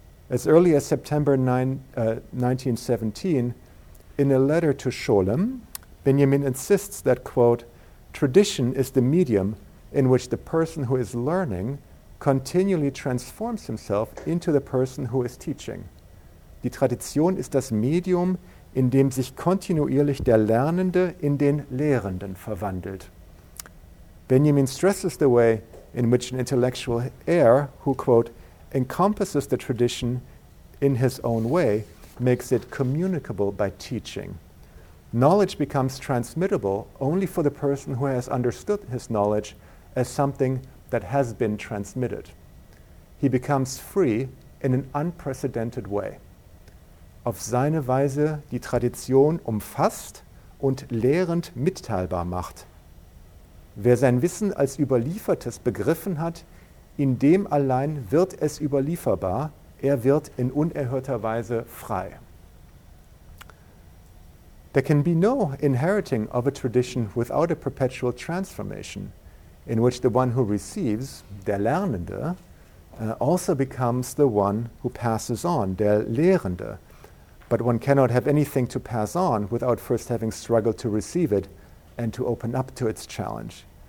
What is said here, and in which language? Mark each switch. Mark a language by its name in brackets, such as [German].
[English] As early as September 9, 1917, in a letter to Scholem, Benjamin insists that, quote, tradition is the medium in which the person who is learning continually transforms himself into the person who is teaching. [German] Die Tradition ist das Medium, in dem sich kontinuierlich der Lernende in den Lehrenden verwandelt. [English] Benjamin stresses the way in which an intellectual heir who, quote, encompasses the tradition in his own way, makes it communicable by teaching. Knowledge becomes transmittable only for the person who has understood his knowledge as something that has been transmitted. He becomes free in an unprecedented way. [German] Auf seine Weise die Tradition umfasst und lehrend mitteilbar macht. Wer sein Wissen als Überliefertes begriffen hat, in dem allein wird es überlieferbar, er wird in unerhörter Weise frei. [English] There can be no inheriting of a tradition without a perpetual transformation, in which the one who receives, [German] der Lernende, [English] also becomes the one who passes on, [German] der Lehrende. [English] But one cannot have anything to pass on without first having struggled to receive it and to open up to its challenge.